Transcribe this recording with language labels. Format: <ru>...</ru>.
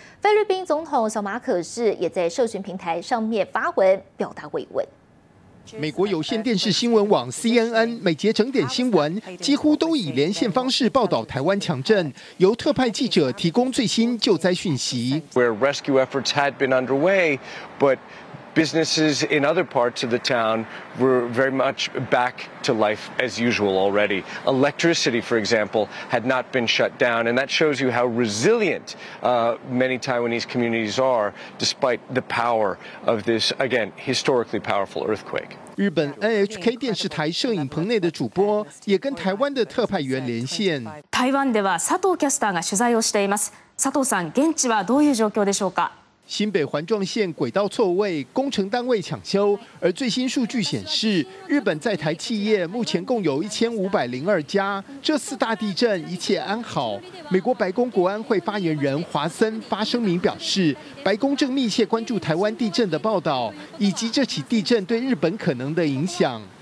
<zh>菲律宾总统小马可士也在社群平台上面发文表达慰问。美国有线电视新闻网 CNN 每节整点新闻几乎都以连线方式报道台湾强震，由特派记者提供最新救灾讯息。</zh> <en>Where rescue efforts had been underway, but businesses in other parts of the town were very much back to life as usual already. Electricity, for example, had not been shut down, and that shows you how resilient many Taiwanese communities are despite the power of this, again, historically powerful earthquake.</en> <zh>日本 NHK 电视台摄影棚内的主播也跟台湾的特派员连线。</zh> <ja>台湾では佐藤キャスターが取材をしています。佐藤さん、現地はどういう状況でしょうか？</ja> <zh>新北环状线轨道错位，工程单位抢修。而最新数据显示，日本在台企业目前共有1502家。这四大地震一切安好。美国白宫国安会发言人华森发声明表示，白宫正密切关注台湾地震的报道，以及这起地震对日本可能的影响。</zh>